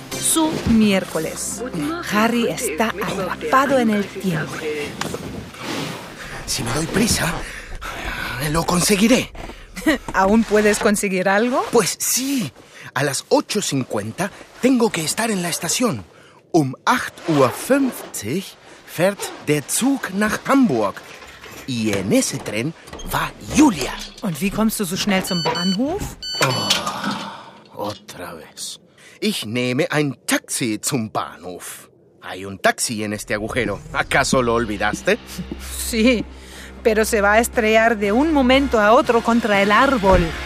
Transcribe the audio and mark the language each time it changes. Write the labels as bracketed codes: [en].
[es] Su miércoles. Harry está atrapado en el tiempo. Si me doy prisa, lo conseguiré. ¿Aún puedes conseguir algo? Pues sí. A las 8:50 tengo que estar en la estación. [de] 8:50 fährt der Zug nach Hamburg. [es] Y en ese tren va Julia. [de] ¿Und wie kommst du so schnell zum Bahnhof? [es] Oh, otra vez. [de] Ich nehme ein Taxi zum Bahnhof. [es] Hay un taxi en este agujero. ¿Acaso lo olvidaste? Sí, pero se va a estrellar de un momento a otro contra el árbol.